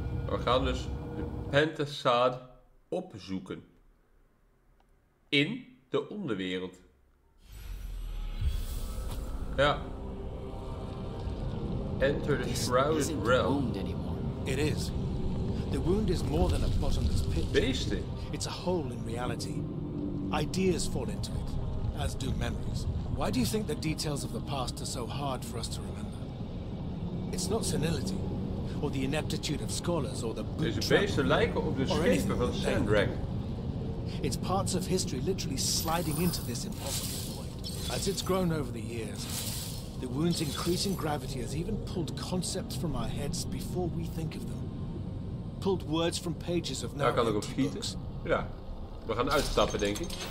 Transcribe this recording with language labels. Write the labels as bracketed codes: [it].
[nl] We gaan dus de pentasaad opzoeken in de onderwereld. Ja. [en] Enter the shrouded realm. It is. The wound is more than a bottomless pit. [nl] Beesten. [en] It's a hole in reality. Ideas fall into it, as do memories. Why do you think the details of the past are so hard for us to remember? It's not senility, or the ineptitude of scholars, or the boot trap. [nl] Deze beesten lijken op de schepen van Sandrak. [en] It's parts of history literally sliding into this impossible void. As it's grown over the years, the wound's increasing gravity has even pulled concepts from our heads before we think of them. Pulled words from pages of now empty books. [nl] Ja, we gaan uitstappen, denk ik.